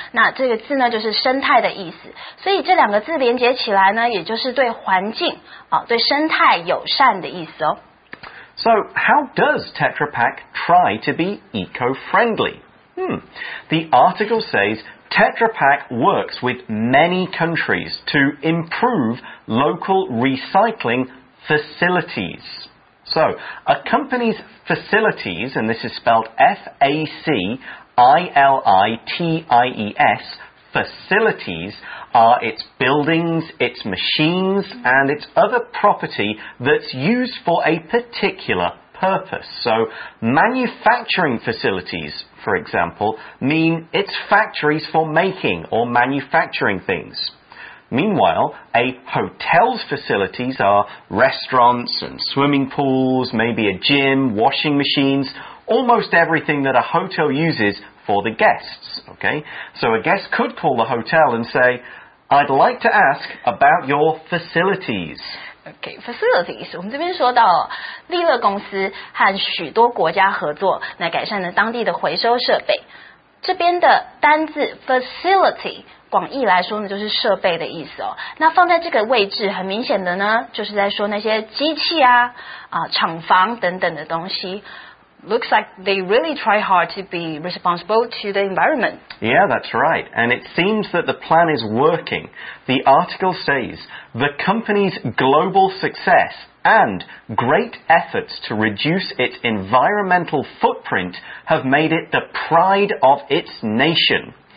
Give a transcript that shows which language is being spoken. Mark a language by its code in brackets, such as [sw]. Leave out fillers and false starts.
[zh] 那这个字呢就是生态的意思，所以这两个字连接起来呢也就是对环境对生态友善的意思哦。 [en] So how does Tetra Pak try to be eco-friendly? The article says Tetra Pak works with many countries to improve local recycling facilitiesSo, a company's facilities, and this is spelled F-A-C-I-L-I-T-I-E-S, facilities, are its buildings, its machines, and its other property that's used for a particular purpose. So, manufacturing facilities, for example, mean its factories for making or manufacturing things. Meanwhile, a hotel's facilities are restaurants and swimming pools, maybe a gym, washing machines, almost everything that a hotel uses for the guests, okay? So a guest could call the hotel and say, I'd like to ask about your facilities. Okay, facilities. [zh] 我们这边说到利乐公司和许多国家合作，来改善了当地的回收设备。这边的单字 facility 广义来说呢，就是设备的意思哦。那放在这个位置，很明显的呢，就是在说那些机器啊、厂房等等的东西。 [en] Looks like they really try hard to be responsible to the environment. Yeah, that's right. And it seems that the plan is working. The article says, the company's global success and great efforts to reduce its environmental footprint have made it the pride of its nation.